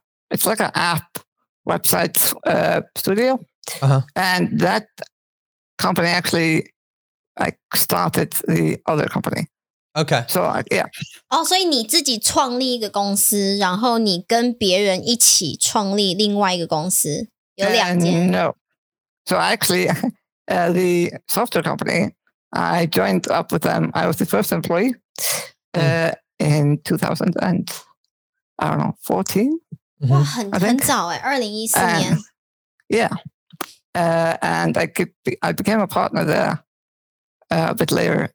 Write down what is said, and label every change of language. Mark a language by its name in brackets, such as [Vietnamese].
[English] it's like an app website studio、uh-huh. and that company actually like started the other company Okay. So, yeah. [Chinese] Oh, 所以你自己创立一个公司，然后你跟别人一起创立另外一个公司，有两间。 [English] No. So actually, the software company, I joined up with them. I was the first employee, in 2014. [Chinese] 哇，很早哎，2014年。 [English] Yeah. And I became a partner there, a bit later.